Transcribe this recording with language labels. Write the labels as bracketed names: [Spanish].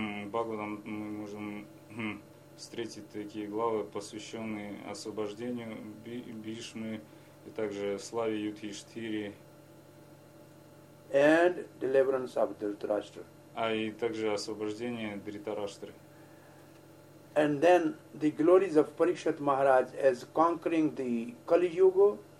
[Russian] Бхагаватам мы можем встретить такие главы, посвященные освобождению Бишмы и также славе Юдхиштхири. [English] And deliverance of Дритарашта. [Russian] А и также освобождение Дритараштры. [English] And then the glories of Parikshit Maharaj as conquering the Kali Yuga.